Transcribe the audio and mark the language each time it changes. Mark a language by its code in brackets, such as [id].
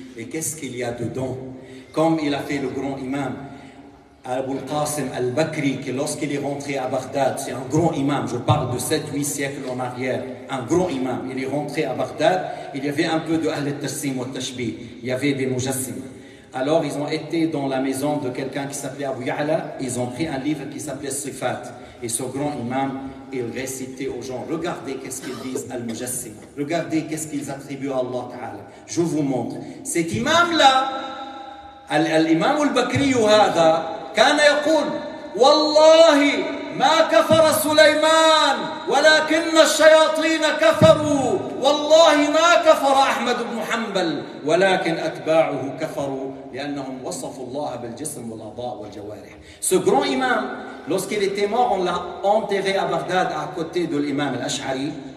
[fr] Et qu'est-ce qu'il y a dedans? Comme il a fait le grand imam Abu al-Qasim al-Bakri, que lorsqu'il est rentré à Bagdad, c'est un grand imam, je parle de 7-8 siècles en arrière, un grand imam, il est rentré à Bagdad, il y avait un peu de Ahlul Tassim wa Tashbih, il y avait des Mujassim. Alors ils ont été dans la maison de quelqu'un qui s'appelait Abu Ya'la, ils ont pris un livre qui s'appelait Sifat. Et ce grand imam, il récitait aux gens, regardez qu'est-ce qu'ils disent al-Mujassim, regardez qu'est-ce qu'ils attribuent à Allah Ta'ala. Je vous montre. Cet imam-là, l'imam al-Bakri, [ar] هذا, كان يقول, والله ما كفر سليمان ولكن الشياطين كفروا والله ما كفر أحمد بن حنبل ولكن أتباعه كفروا لأنهم وصفوا الله بالجسم والأعضاء والجوارح. [fr] Ce grand imam, lorsqu'il était mort, on l'a enterré à Bagdad à côté de l'imam al-Ash'ari.